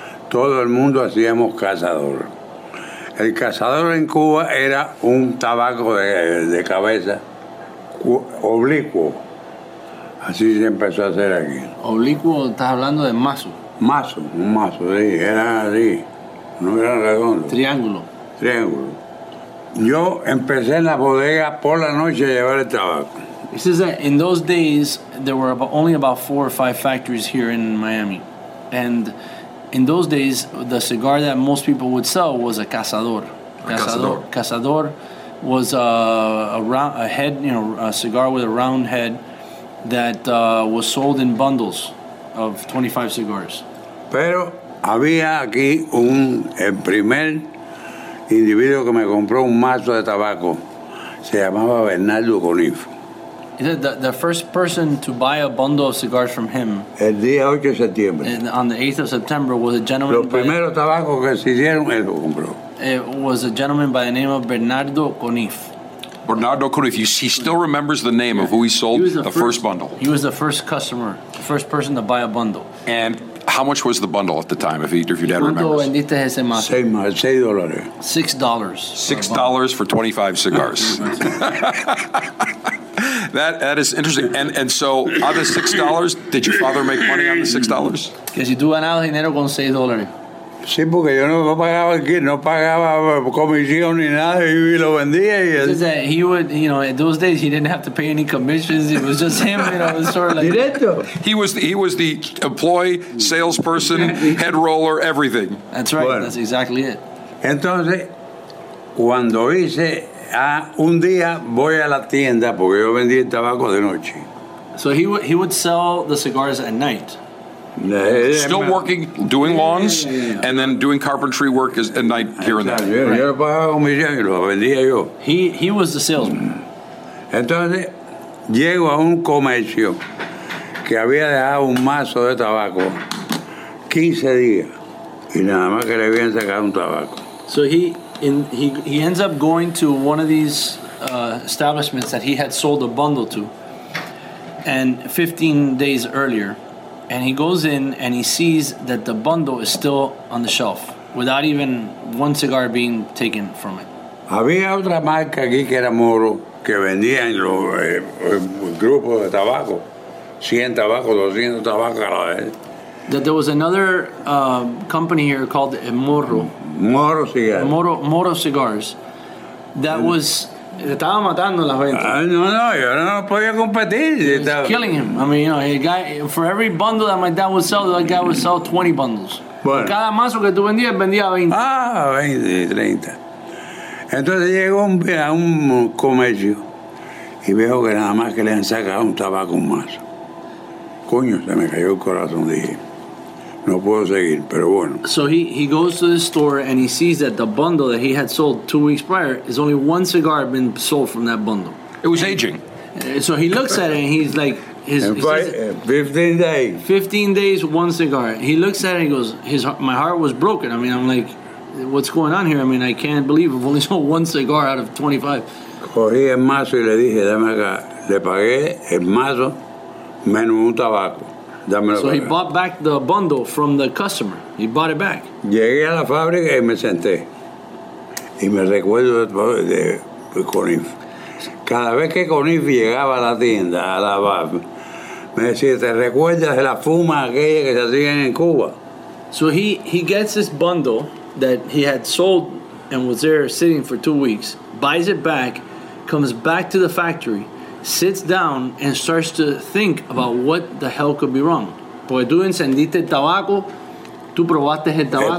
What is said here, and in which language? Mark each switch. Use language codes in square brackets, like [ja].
[es] Todo el mundo hacíamos cazador. El cazador en Cuba era un tabaco de cabeza, oblicuo. Así se empezó a hacer aquí. Oblicuo, estás hablando de mazo. Mazo, sí, era así. No eran redondos. Triángulo. Triángulo. Yo empecé en la bodega por la noche a llevar el tabaco. [en] He says that in those days, there were only about four or five factories here in Miami. And in those days, the cigar that most people would sell was a cazador. [es] Cazador [en] was a cigar with a round head that was sold in bundles of 25 cigars. [es] Pero había aquí un el primer individuo que me compró un mazo de tabaco. Se llamaba Bernardo Conif. [en] He said the first person to buy a bundle of cigars from him [es] el día 8 de septiembre. [en] On the 8th of September was a gentleman. [es] Los primeros tabacos que se hicieron, él lo compró. [en] It was a gentleman by the name of Bernardo Conif. Bernardo Conif, he still remembers the name of who he sold the first bundle. He was the first customer, the first person to buy a bundle. And how much was the bundle at the time, if your dad remembers? [es] ¿Cuánto vendiste ese mazo? $6. [en] $6. $6 for 25 cigars. That is interesting. And so, out of the $6, did your father make money on the $6? [es] Que si tú ganabas dinero con $6. Sí, porque yo no pagaba aquí, no pagaba comisión ni nada, y lo vendía. Y es que [en] he would, you know, in those days he didn't have to pay any commissions. It was just him, you know, sort of like. [es] Directo. [en] He was the employee, salesperson, head roller, everything. That's right. [es] Bueno, [en] that's exactly it. [es] Entonces, cuando hice un día voy a la tienda porque yo vendía el tabaco de noche. [en] So he would sell the cigars at night. Still working, doing lawns, and then doing carpentry work at night here and there. He was the salesman. [es] Entonces, llego a un comercio que había dejado un mazo de tabaco 15 días, y nada más que le habían sacado un tabaco. [en] So he ends up going to one of these establishments that he had sold a bundle to, and 15 days earlier. And he goes in and he sees that the bundle is still on the shelf without even one cigar being taken from it. [es] Había otra marca aquí que era Moro que vendía en los grupos de tabaco, 100 tabaco, 200 tabaco a la vez. [en] That there was another company here called Moro. Moro cigars. Moro cigars. That was. [es] Estaba matando las ventas. No, yo no podía competir. [en] He was killing him. I mean, you know, for every bundle that my dad would sell, that guy would sell 20 bundles. [es] Bueno. Y cada mazo que tú vendías, vendía 20. Ah, 20, 30. Entonces llegó a un comercio y veo que nada más que le han sacado un tabaco un mazo. Coño, se me cayó el corazón, dije. No puedo seguir, pero bueno. [en] So he goes to the store and he sees that the bundle that he had sold 2 weeks prior is only one cigar had been sold from that bundle. It was aging. So he looks at it and he's like, says, 15 days. 15 days, one cigar. He looks at it and he goes, my heart was broken. I mean, I'm like, what's going on here? I mean, I can't believe I've only sold one cigar out of 25. [es] Cogí el mazo y le dije, dame acá. Le pagué el mazo menos un tabaco. [en] So he bought back the bundle from the customer. He bought it back. [es] Llegué a la fábrica y me senté. Y me recuerdo de Conif. Cada vez que Conif llegaba a la tienda, a la bar, me decía, ¿te recuerdas de la fuma aquella que se hacían en Cuba? [en] So he gets this bundle that he had sold and was there sitting for 2 weeks, buys it back, comes back to the factory, sits down and starts to think about what the hell could be wrong. [es] Porque tú encendiste el tabaco, tú probaste el tabaco.